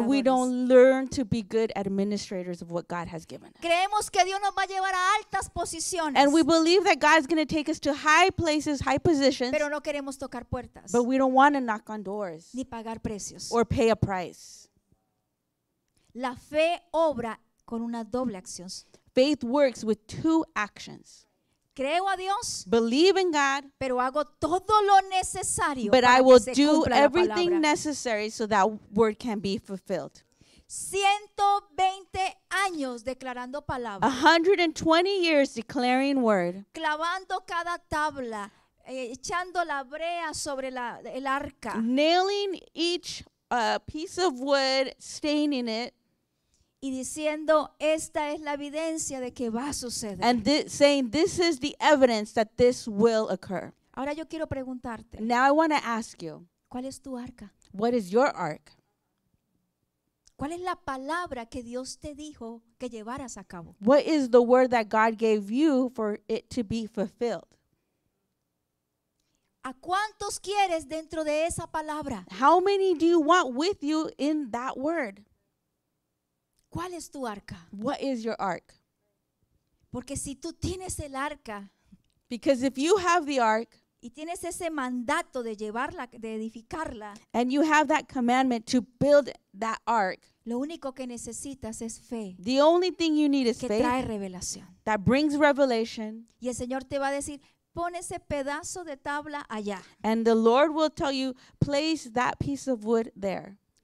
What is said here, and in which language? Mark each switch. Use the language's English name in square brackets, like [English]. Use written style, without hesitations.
[English] And we don't learn to be good administrators of what God has given us. [Spanish] Creemos que Dios nos va a llevar a altas posiciones. [English] And we believe that God is going to take us to high places, high positions. [Spanish] Pero no queremos tocar puertas. [English] But we don't want to knock on doors. [Spanish] Ni pagar precios. [English] Or pay a price. [Spanish] La fe obra con una doble acción. [English] Faith works with two actions. [Spanish] Creo a Dios, [English] believe in God, [Spanish] pero hago todo lo necesario, [English] but [Spanish] para [English] I will do everything [Spanish] palabra. [English] Necessary so that word can be fulfilled. [Spanish] 120 años declarando palabra. [English] 120 years declaring word. [Spanish] Clavando cada tabla, echando la brea sobre la, el arca. [English] Nailing each piece of wood, staining it. [Spanish] Y diciendo, esta es la evidencia de que va a suceder. [English] And saying, this is the evidence that this will occur. [Spanish] Ahora yo quiero preguntarte. [English] Now I want to ask you. [Spanish] ¿Cuál es tu arca? [English] What is your ark? [Spanish] ¿Cuál es la palabra que Dios te dijo que llevaras a cabo? [English] What is the word that God gave you for it to be fulfilled? [Spanish] ¿A cuántos quieres dentro de esa palabra? [English] How many do you want with you in that word? [Spanish] ¿Cuál es tu arca? [English] What is your ark? [Spanish] Porque si tú tienes el arca, [English] because if you have the ark, [Spanish] y tienes ese mandato de llevarla, de edificarla, [English] and you have that commandment to build that ark, [Spanish] lo único que necesitas es fe. [English] The only thing you need is [Spanish] que [English] faith. [Spanish] Que trae revelación. [English] That brings revelation. [Spanish] Y el Señor te va a decir, pon ese pedazo de tabla allá. [English] And the Lord will tell you, place that piece of wood there.